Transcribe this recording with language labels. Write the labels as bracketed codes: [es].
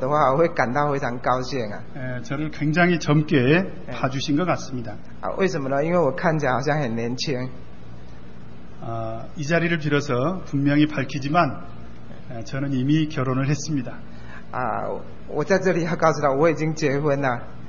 [zh] 当大家这样问我的话，我会感到非常高兴啊。 [ko] 저를 굉장히 젊게 봐주신 것 같습니다. [zh] 为什么呢？因为我看起来好像很年轻。 [ko] 이 자리를 빌어서 분명히 밝히지만 저는 이미 결혼을 했습니다. [zh] 我在这里要告诉他，我已经结婚了。